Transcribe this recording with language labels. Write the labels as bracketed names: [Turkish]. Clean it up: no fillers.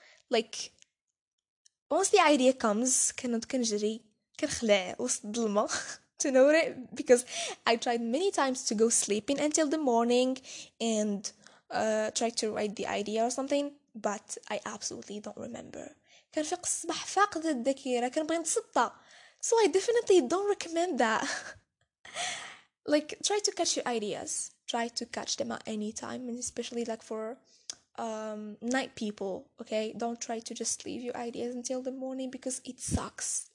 [English] Like, once the idea comes, [Arabic] كنت كنجري كنخلع وسط الظلمة [English] to know it, because I tried many times to go sleeping until the morning and try to write the idea or something, but I absolutely don't remember. [Arabic] كنفيق الصباح فاقد الذاكره كنبغي نتسطى. [English] So I definitely don't recommend that. Like, try to catch your ideas, try to catch them at any time, and especially like for night people, okay? Don't try to just leave your ideas until the morning, because it sucks.